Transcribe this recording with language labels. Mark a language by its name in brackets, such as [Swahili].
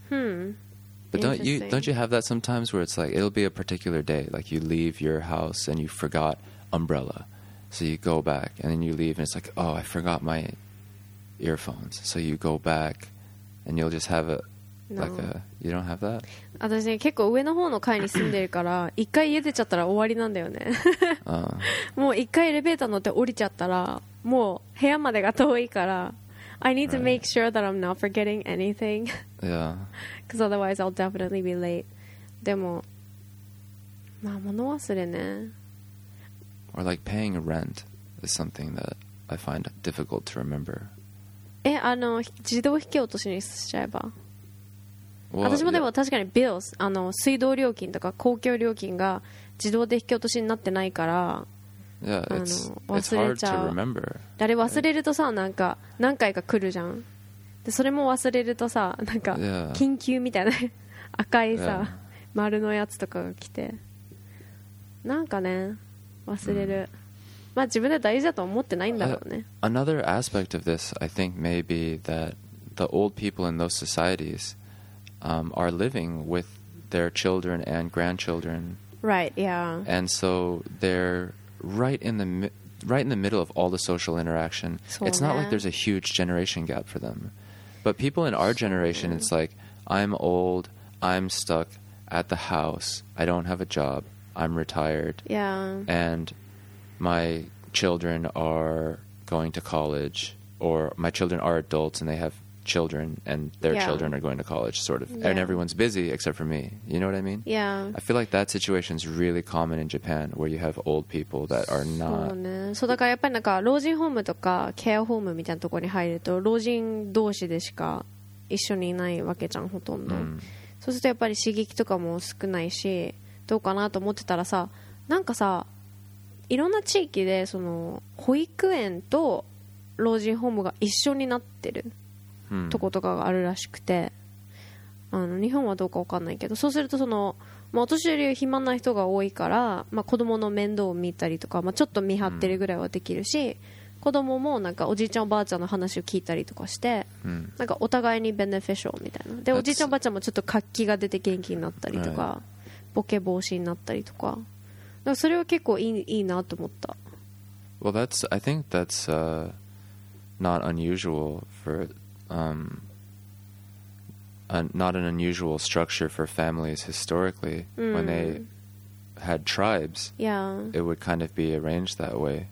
[English] Hmm. But don't you have that sometimes where it's like, it'll be a particular day. Like, you leave your house and you forgot umbrella. So you go back and then you leave and it's like, oh, I forgot my earphones. So you go back and you'll just have a... No. Like a... You don't have that? [Japanese] 私ね、結構上の方の階に住んでるから、一回家出ちゃったら終わりなんだよね。もう一回エレベーター乗って降りちゃったら、もう部屋までが遠いから、 [English] I need to make sure that I'm not forgetting anything. Yeah. Because otherwise I'll definitely be late. [Japanese] でも、まあ物忘れね。 [English] Or like paying rent is something that I find difficult to remember. [Japanese] え、あの、自動引き落としにしちゃえば。Well, 私もでも確かに bills、あの水道料金とか公共料金が自動で引き落としになってないから、 [English] yeah, [Japanese] あの忘れちゃう。 [English] It's hard to remember. [Japanese] あれ忘れるとさ、なんか何回か来るじゃん。でそれも忘れるとさ、なんか緊急みたいな赤いさ、 [English] yeah. [Japanese] 丸のやつとかが来て、なんかね忘れる。 Mm. まあ自分で大事だと思ってないんだろうね。 [English] Another aspect of this, I think, may be that the old people in those societies. Are living with their children and grandchildren. Right, yeah. And so they're right in the middle of all the social interaction. So it's not like there's a huge generation gap for them. But people in our generation, it's like, I'm old, I'm stuck at the house, I don't have a job, I'm retired. Yeah. And my children are going to college, or my children are adults and they have... children and their、 yeah. children are going to college sort of、 yeah. and everyone's busy except for me, you know what I mean? Yeah, I feel like that situation is really common in Japan where you have old people that are not [Japanese] そうね。そうだからやっぱりなんか老人ホームとかケアホームみたいなところに入ると老人同士でしか一緒にいないわけじゃんほとんど、 mm. そうするとやっぱり刺激とかも少ないしどうかなと思ってたらさなんかさいろんな地域でその保育園と老人ホームが一緒になってるとことかがあるらしくてあの日本はどうか分かんないけどそうするとその、まあ、お年寄りは暇な人が多いから、まあ、子供の面倒を見たりとか、まあ、ちょっと見張ってるぐらいはできるし、うん、子供もなんかおじいちゃんおばあちゃんの話を聞いたりとかして、うん、なんかお互いにベネフィシャルみたいなで、 [English] That's... [Japanese] おじいちゃんおばあちゃんもちょっと活気が出て元気になったりとか、 [English] right. [Japanese] ボケ防止になったりと か, だからそれは結構いいなと思った [English] Well, that's, I think that's、not unusual forNot an unusual structure for families historically、 mm. when they had tribes、 yeah. it would kind of be arranged that way